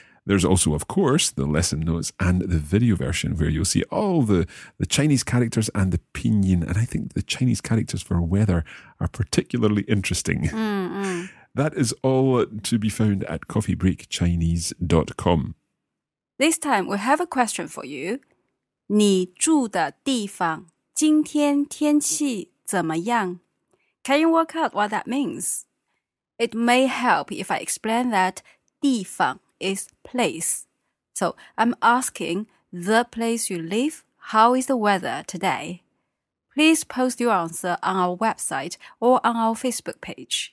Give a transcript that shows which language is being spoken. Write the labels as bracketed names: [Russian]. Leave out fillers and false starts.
[English] There's also, of course, the lesson notes and the video version where you'll see all the Chinese characters and the pinyin. And I think the Chinese characters for weather are particularly interesting. That is all to be found at coffeebreakchinese.com. This time we have a question for you. [Chinese] 你住的地方今天天气怎么样? [English] Can you work out what that means? It may help if I explain that 地方is place. So I'm asking the place you live, how is the weather today? Please post your answer on our website or on our Facebook page.